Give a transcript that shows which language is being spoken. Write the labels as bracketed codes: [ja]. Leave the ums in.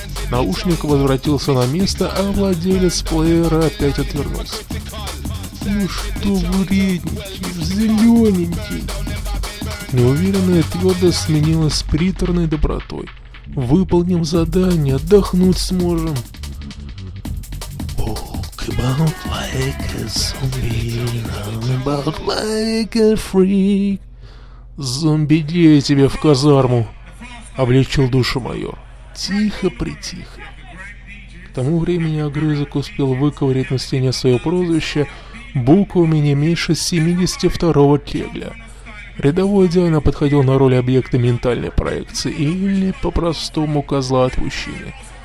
[ru] Наушник возвратился на место, а владелец плеера опять отвернулся. «Ну что вредничаешь, зелененький?» Неуверенная твердость сменилась с приторной добротой. «Выполним задание, отдохнуть сможем». [en] Walk about like a zombie, run about like a freak. [ru] «Зомби, где я тебе в казарму?» — облегчил душу майор тихо-притихо. К тому времени огрызок успел выковырять на стене свое прозвище буквами не меньше 72-го кегля. Рядовой идеально подходил на роль объекта ментальной проекции или по-простому козла отпущения.